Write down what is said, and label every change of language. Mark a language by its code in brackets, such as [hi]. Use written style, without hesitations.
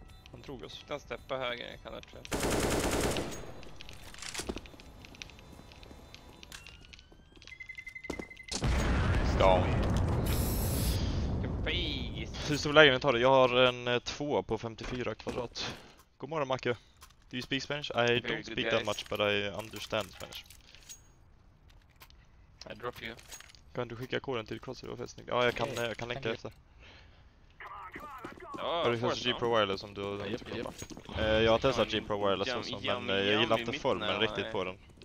[sv] Han drog oss. Den steppar höger, jag kan öppna. Stång. Vilken fegis. Hur stor lägenhet har du? Jag har en 2 på 54 kvadrat. God morgon, Macke. [en] Do you speak Spanish? I don't speak that much, but I understand Spanish. I drop you. [sv] Kan du skicka koden till Crossfire och fästning? Ja, jag kan länka efter. Har du testat G-Pro Wireless om du har den? Yep. Jag har testat G-Pro Wireless också, men jag gillar inte formen riktigt på den.